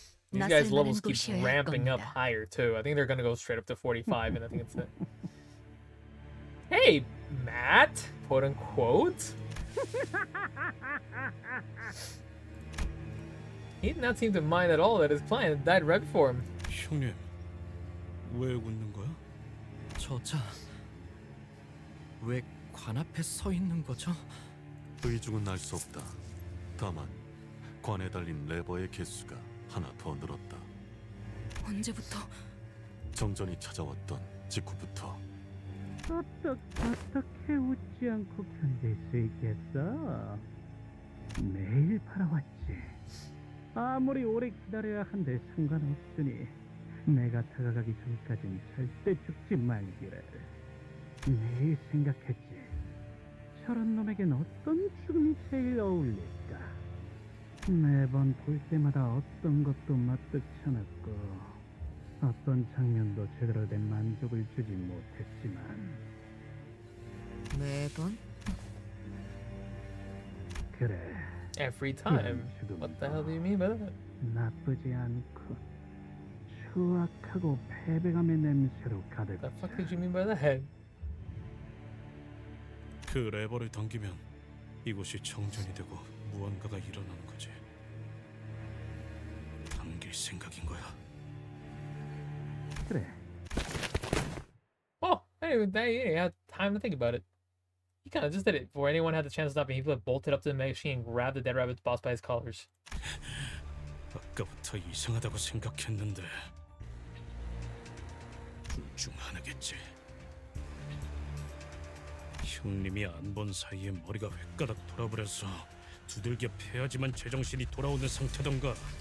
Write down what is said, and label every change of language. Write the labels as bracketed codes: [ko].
[en] These guys' levels keep ramping up higher, too. I think they're gonna go straight up to 45, and I think it's it. Hey, Matt! Quote-unquote? He did not seem to mind at all that his client died right before him. [ko] 형님, 왜 웃는 거야? 저자, 왜 관 앞에 서 있는 거죠? 의중은 알 수 없다. 다만 관에 달린 레버의 개수가 하나 더 늘었다. 언제부터? 정전이 찾아왔던 직후부터. 어떻게 웃지 않고 견딜 수 있겠어? 매일 팔아왔지. 아무리 오래 기다려야 한데 상관없으니 내가 다가가기 전까지는 절대 죽지 말기를. 매일 생각했지. 저런 놈에겐 어떤 죽음이 제일 어울릴까? 매번 볼 때마다 어떤 것도 마뜩 않았고 어떤 장면도 제대로 된 만족을 주지 못했지만 매번? 그래 [en] Every time What the hell do you mean by that? [ko] 나쁘지 않고 추악하고 패배감의 냄새로 가득 [en] The fuck did you mean by that? [ko] 그 레버를 당기면 이곳이 정전이 되고 무언가가 일어나는 거지. 당길 생각인 거야. 그래. [en] Oh, anyway, he had time to think about it. He kind of just did it before anyone had the chance to stop him. He bolted up to the machine and grabbed the dead rabbit's boss by his collars. [ko] 아까부터 이상하다고 생각했는데 둘 중 하나겠지. 형님이 안 본 사이에 머리가 횟가닥 돌아버려서 두들겨 패야지만 제정신이 돌아오는 상태던가.